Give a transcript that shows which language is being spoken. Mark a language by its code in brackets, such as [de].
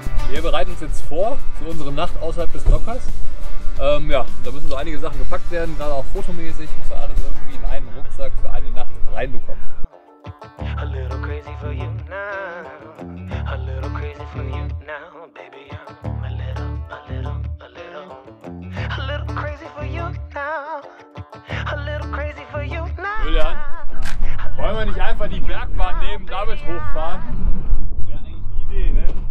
[de] Wir bereiten uns jetzt vor für unsere Nacht außerhalb des Dockers. Ja, da müssen so einige Sachen gepackt werden, gerade auch fotomäßig, muss man alles irgendwie in einen Rucksack für eine Nacht reinbekommen. [en] A little crazy for you now. A little crazy for you now, baby. I'm a little A little crazy for you now. A little crazy for you now. [de] Julian, wollen wir nicht einfach die Bergbahn nehmen, damit hochfahren? Wäre eigentlich die Idee, ne?